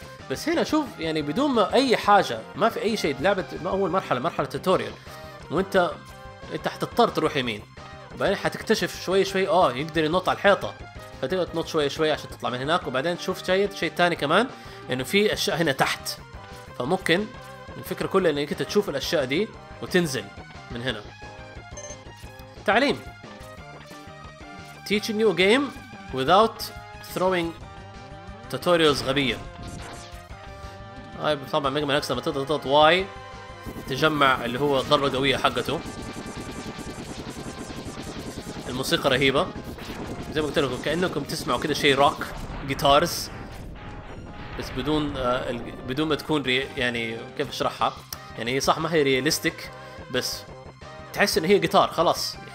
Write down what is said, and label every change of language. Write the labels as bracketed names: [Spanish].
[Arabic] بس هنا شوف يعني بدون ما اي حاجه، ما في اي شيء، لعبه ما اول مرحله توتوريال، وانت حتضطر تروح يمين، وبعدين حتكتشف شوي يقدر ينط على الحيطه، فتقدر تنط شوي عشان تطلع من هناك. وبعدين تشوف شيء ثاني كمان، انه في اشياء هنا تحت، فممكن الفكره كلها انك انت تشوف الاشياء دي وتنزل من هنا. تعليم [English] teach a new game without throwing tutorials [Arabic] غبية. هاي طبعا ميجا مان إكس لما تضغط واي تجمع اللي هو الضربة قوية حقته. الموسيقى رهيبة زي ما قلت لكم، كأنكم تسمعوا كده شيء روك جيتارز، بس بدون ما تكون يعني كيف اشرحها، يعني هي صح ما هي رياليستيك بس تحس ان هي جيتار خلاص.